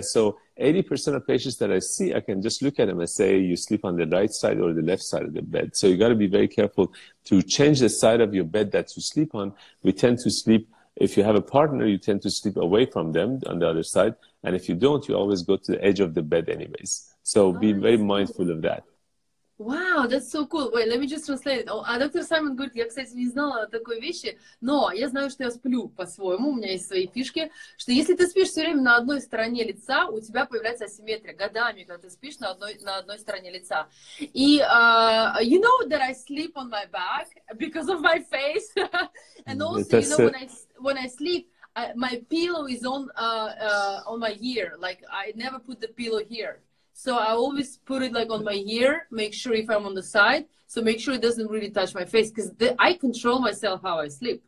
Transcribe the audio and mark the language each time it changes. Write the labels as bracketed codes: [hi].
[en] So 80% of patients that I see, I can just look at them and say, you sleep on the right side or the left side of the bed. So you got to be very careful to change the side of your bed that you sleep on. We tend to sleep, if you have a partner, you tend to sleep away from them on the other side. And if you don't, you always go to the edge of the bed anyways. So be very mindful of that. Wow, that's so cool. Wait, let me just translate it. [ru] А доктор Саймон говорит, я, кстати, не знала такой вещи, но я знаю, что я сплю по-своему, у меня есть свои фишки, что если ты спишь все время на одной стороне лица, у тебя появляется асимметрия годами, когда ты спишь на одной стороне лица. [en] И you know that I sleep on my back because of my face. And also, you know, when I sleep, my pillow is on my ear. Like, I never put the pillow here. So I always put it like on my ear, make sure if I'm on the side, so make sure it doesn't really touch my face, because I control myself how I sleep.